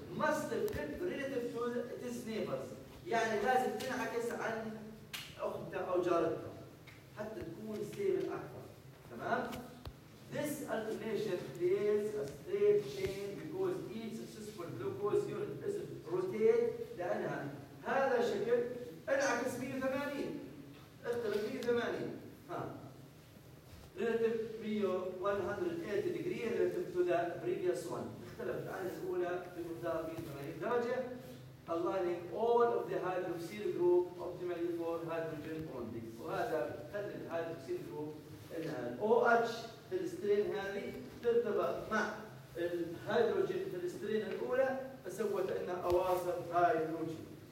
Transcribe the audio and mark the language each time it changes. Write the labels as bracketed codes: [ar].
[ar] ماست فليب ريليتف تو ذيس نيبرز، يعني لازم تنعكس عن اختها او جارتها حتى تكون ستيبل اكثر تمام. [en] This alternation creates a straight chain because each successful glucose unit is rotated. [ar] لأنها هذا شكل انعكس 180 اختلف 180 ها [en] relative 180 degree relative to the previous one، [ar] اختلف عن الأولى بمقدار 180 درجة. [en] Aligning all of the hydroxyl group optimally for hydrogen bonding، [ar] وهذا بخلي الهيدروكسيل جروب انها OH في السترين هذه ترتبط مع الهيدروجين في السترين الاولى فسوت لنا اواصر هيدروجين.